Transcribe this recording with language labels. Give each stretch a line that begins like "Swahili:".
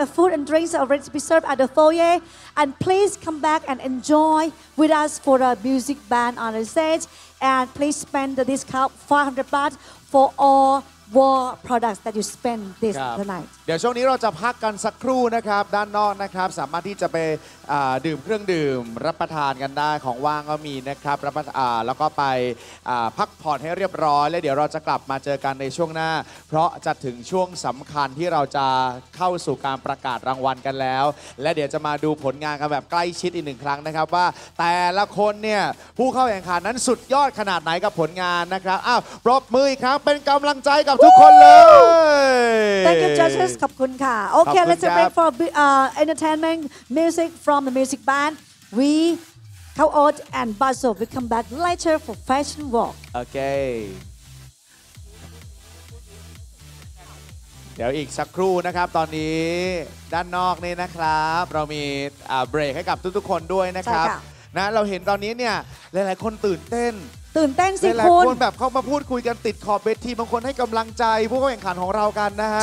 English: Food and drinks are ready to be served at the foyer. And please come back and enjoy with us for the music band on the stage. And please spend the discount 500 baht for all war products that you spend this tonight.
Thai: ดี๋ยวช่วงนี้เราจะพักกันสักครู่นะครับด้านนอกนะครับสามารถที่จะไปดื่มเครื่องดื่มรับประทานกันได้ของว่างก็มีนะครับรับแล้วก็ไปพักผ่อนให้เรียบร้อยแล้วเดี๋ยวเราจะกลับมาเจอกันในช่วงหน้าเพราะจะถึงช่วงสำคัญที่เราจะเข้าสู่การประกาศรางวัลกันแล้วและเดี๋ยวจะมาดูผลงานกันแบบใกล้ชิดอีกหนึ่งครั้งนะครับว่าแต่ละคนเนี่ยผู้เข้าแข่งขันนั้นสุดยอดขนาดไหนกับผลงานนะครับอ้าวปรบมืออีกครั้งเป็นกำลังใจกับทุกคนเลย
English: Thank you judges
Thai: ขอบคุณค่ะโอเค
English: let's break for entertainment music from the music band we come out and Basel we come back later for fashion walk
Thai: okayเดี๋ยวอีกสักครู่นะครับตอนนี้ด้านนอกนี่นะครับเรามีเบรกให้กับทุกๆคนด้วยนะครับนะเราเห็นตอนนี้เนี่ยหลายๆคนตื่นเต้น ตื่นเต้นสิคุณ หลายคนแบบเข้ามาพูดคุยกันติดขอบเวทีบางคนให้กำลังใจผู้แข่งขันของเรากันนะฮะ